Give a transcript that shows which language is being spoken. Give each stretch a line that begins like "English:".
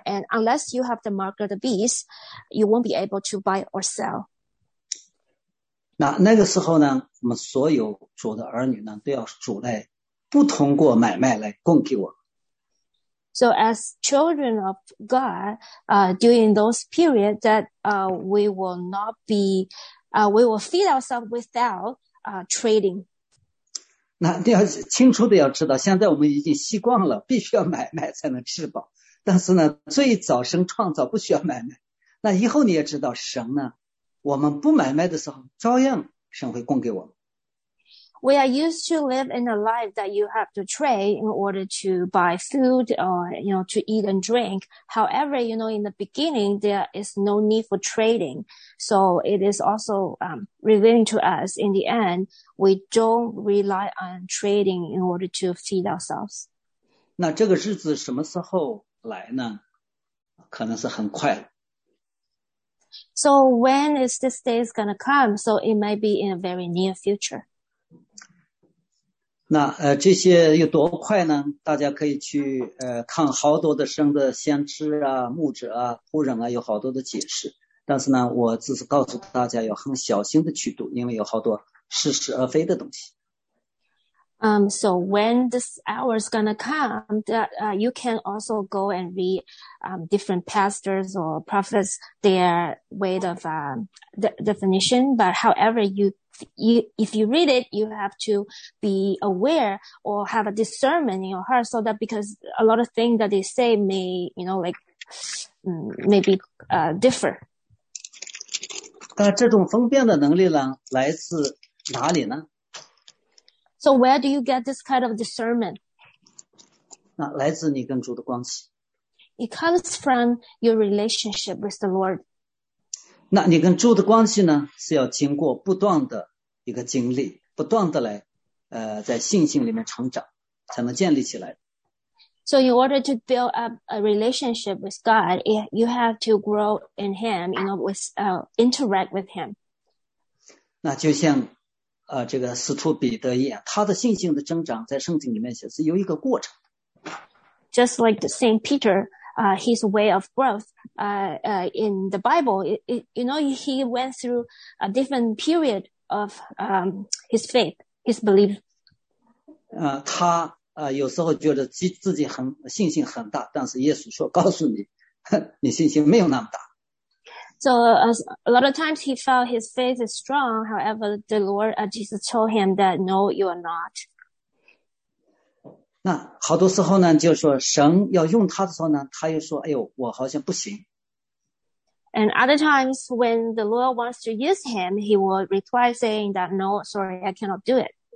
English: And unless you have the mark of the beast, you won't be able to buy or sell.
Chinese: 那个时候呢，我们所有主的儿女呢，都要主来不通过买卖来供给我。
English: So as children of God, during those periods that we will not be, we will feed ourselves without trading.
Chinese: 那要清楚的要知道，现在我们已经习惯了必须要买卖才能吃饱。但是呢，最早神创造不需要买卖。那以后你也知道神呢，我们不买卖的时候，照样神会供给我们。
English: We are used to live in a life that you have to trade in order to buy food or, you know, to eat and drink. However, you know, in the beginning, there is no need for trading. So it is also, revealing to us in the end, we don't rely on trading in order to feed ourselves.
Chinese: 那这个日子什么时候来呢？可能是很快。
English: So when is this day is going to come? So it may be in a very near future.
Chinese: 那这些有多快呢？大家可以去看好多的神的先知啊、牧者啊、仆人啊，有好多的解释。但是呢，我只是告诉大家要很小心的去读，因为有好多似是而非的东西。
English: So when this hour is gonna come, that you can also go and read different pastors or prophets their way of definition. But however if you read it, you have to be aware or have a discernment in your heart so that because a lot of things that they say may, you know, like, maybe, differ.
Chinese: 那这种分辨的能力呢，来自哪里呢？
English: So where do you get this kind of discernment?
Chinese: 那来自你跟主的关系。
English: It comes from your relationship with the Lord.
Chinese: 那你跟主的关系呢，是要经过不断的一个经历不断的来在信心里面成长才能建立起来。
English: So in order to build up a relationship with God, you have to grow in Him, you know, with, interact with Him.
Chinese: 那就像这个使徒彼得一样他的信心的增长在圣经里面写是有一个过程。
English: Just like the Saint Peter, his way of growth in the Bible. He went through a different period of his faith, his belief.
Chinese: 他有时候觉得自己很信心很大，但是耶稣说告诉你，你信心没有那么大。
English: So a lot of times he felt his faith is strong. However, the Lord Jesus told him that no, you are not.
Chinese: 那好多时候呢，就是说神要用他的时候呢，他又说：“哎呦，我好像不行。”
English: And other times when the Lord wants to use him, he will reply saying that no, sorry, I cannot do it.